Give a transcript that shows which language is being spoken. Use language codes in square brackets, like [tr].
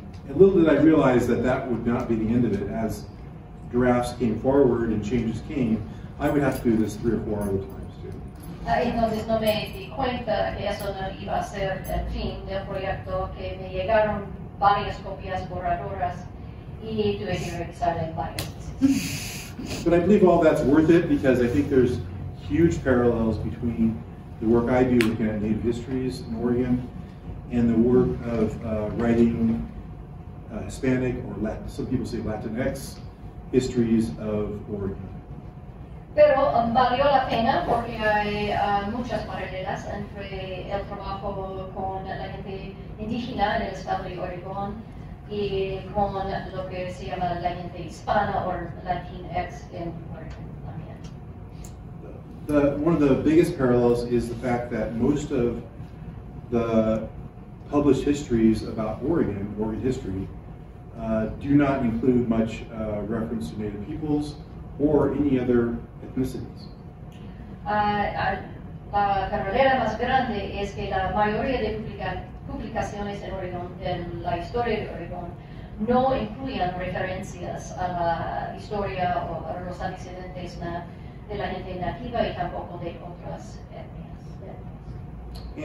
[en] A little did I realize that would not be the end of it. As drafts came forward and changes came, I would have to do this 3 or 4 other times. [es] Entonces no me di cuenta que eso no iba a ser el fin del proyecto, que me llegaron varias copias borradoras y tuve que revisar en varias veces. [en] But I believe all that's worth it because I think there's huge parallels between the work I do looking at Native histories in Oregon and the work of writing Hispanic or Latin, some people say Latinx, histories of Oregon. [es] Pero valió la pena porque hay muchas paralelas entre el trabajo con la gente indígena en el estado de Oregón y con lo que se llama la gente hispana o Latinx en Oregón. [en] One of the biggest parallels is the fact that most of the published histories about Oregon, Oregon history, do not include much reference to Native peoples or any other ethnicities. [es] La paralela más grande es que la mayoría de publicaciones en Oregon, en la historia de Oregon, no incluyen referencias a la historia o a los antecedentes de la gente nativa y tampoco de otras etnias.